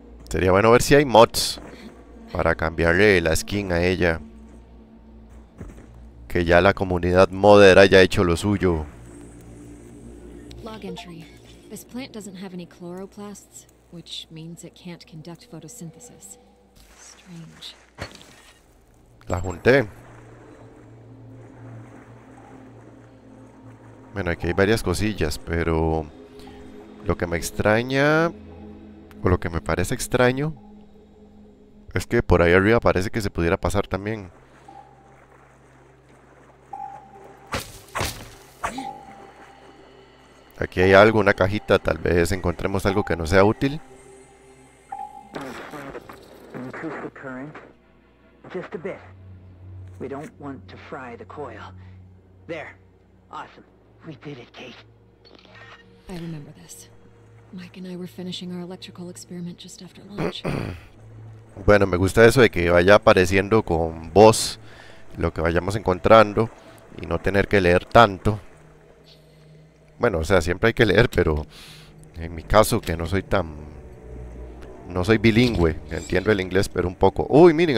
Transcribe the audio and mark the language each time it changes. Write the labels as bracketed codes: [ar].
[es] Sería bueno ver si hay mods para cambiarle la skin a ella. Que ya la comunidad modder haya hecho lo suyo. [en] Log entry. This plant doesn't have any chloroplasts, which means it can't conduct photosynthesis. Strange. [es] La junté. Bueno, aquí hay varias cosillas, pero lo que me extraña, o lo que me parece extraño, es que por ahí arriba parece que se pudiera pasar también. Aquí hay algo, una cajita, tal vez encontremos algo que no sea útil. [en] Increase the current just a bit. We don't want to fry the coil. There. Awesome. We did it, Kate. I remember this. Mike and I were finishing our electrical experiment just after lunch. [es] Bueno, me gusta eso de que vaya apareciendo con voz lo que vayamos encontrando y no tener que leer tanto. Bueno, o sea, siempre hay que leer, pero en mi caso, que no soy tan, no soy bilingüe, entiendo el inglés, pero un poco. ¡Uy, miren!